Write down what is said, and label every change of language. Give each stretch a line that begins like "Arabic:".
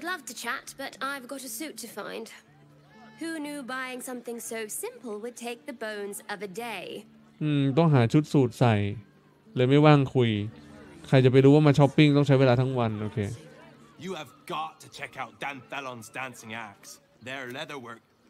English: to chat but I've got a suit to find who knew buying something so simple would take the bones of a day
Thai: ต้องหาชุดสูทใส่เลยไม่ว่างคุยใครจะไปรู้ว่ามาช้อปปิ้งต้องใช้เวลาทั้งวันโอเค
English: you have got to check out Dan Fallon's dancing axe their leather work